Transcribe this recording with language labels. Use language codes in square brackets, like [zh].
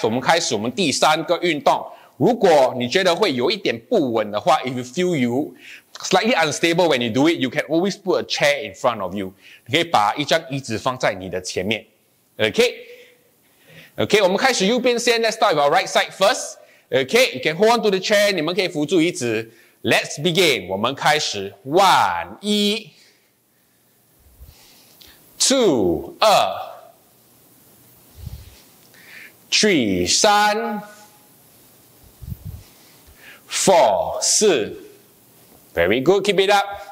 [zh] 我们开始我们第三个运动。如果你觉得会有一点不稳的话 [en] if you feel you slightly unstable when you do it, you can always put a chair in front of you. [zh] 你可以把一张椅子放在你的前面。 [en] Okay? Okay, [zh] 我们开始右边先。 [en] Let's start with our right side first. Okay, you can hold on to the chair. [zh] 你们可以扶住椅子。 [en] Let's begin, [zh] 我们开始。 [en] One, 一 two, 二 three, 三 four, 四 very good, keep it up.